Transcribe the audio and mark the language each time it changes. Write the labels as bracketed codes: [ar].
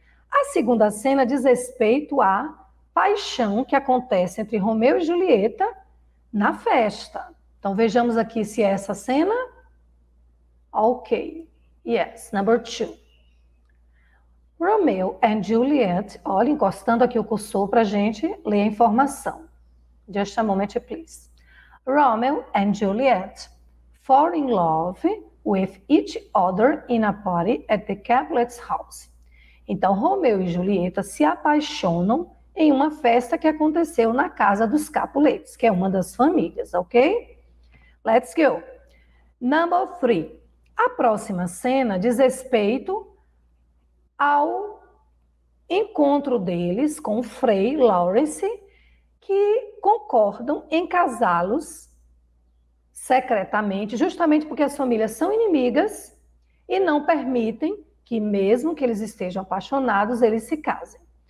[pt] A segunda cena diz respeito a paixão que acontece entre Romeu e Julieta na festa. Então vejamos aqui se é essa cena. Ok. [en] Yes, number two. Romeo and Juliet. [pt] Olha, encostando aqui o cursor para a gente ler a informação. [en] Just a moment, please. Romeo and Juliet fall in love with each other in a party at the Capulet's house. [pt] Então, Romeo e Julieta se apaixonam em uma festa que aconteceu na casa dos Capuletes, que é uma das famílias, ok? [en] Let's go. Number three. [pt] A próxima cena diz respeito ao encontro deles com o Frei Lawrence, que concordam em casá-los secretamente, justamente porque as famílias são inimigas e não permitem que, mesmo que eles estejam apaixonados, eles se casem.